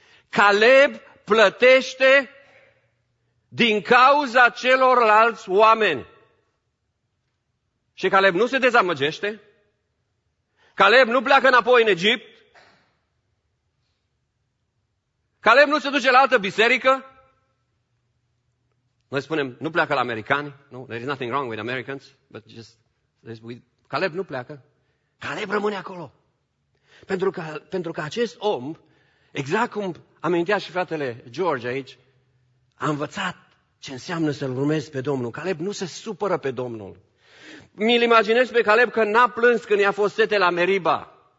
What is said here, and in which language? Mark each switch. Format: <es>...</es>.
<ro>Caleb plătește din cauza celorlalți oameni. Și Caleb nu se dezamăgește? Caleb nu pleacă înapoi în Egipt? Caleb nu se duce la altă biserică? Noi spunem, nu pleacă la americani?</ro> <en>No, there is nothing wrong with Americans, but just...</en> <ro>Caleb nu pleacă. Caleb rămâne acolo. Pentru că acest om, exact cum amintea și fratele George aici, a învățat ce înseamnă să-L urmezi pe Domnul. Caleb nu se supără pe Domnul. Mi-l imaginez pe Caleb că n-a plâns când i-a fost sete la Meriba.</ro>